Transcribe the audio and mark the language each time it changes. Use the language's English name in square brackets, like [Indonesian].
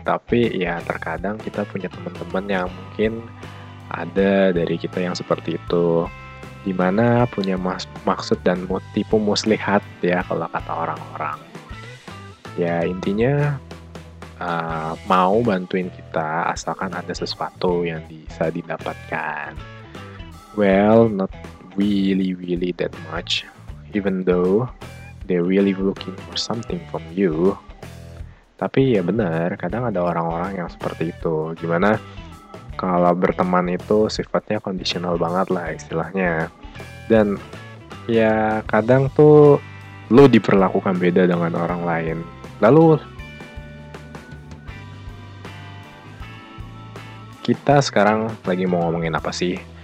[Indonesian] Tapi ya, terkadang kita punya teman-teman yang mungkin ada dari kita yang seperti itu. Dimana punya maksud dan tipu muslihat ya, kalau kata orang-orang. Ya, intinya mau bantuin kita asalkan ada sesuatu yang bisa didapatkan. [English] Well, not really that much. Even though they really looking for something from you. [Indonesian] Tapi ya benar, kadang ada orang-orang yang seperti itu. Gimana kalau berteman itu sifatnya conditional banget lah istilahnya. Dan ya kadang tuh lo diperlakukan beda dengan orang lain. Lalu kita sekarang lagi mau ngomongin apa sih?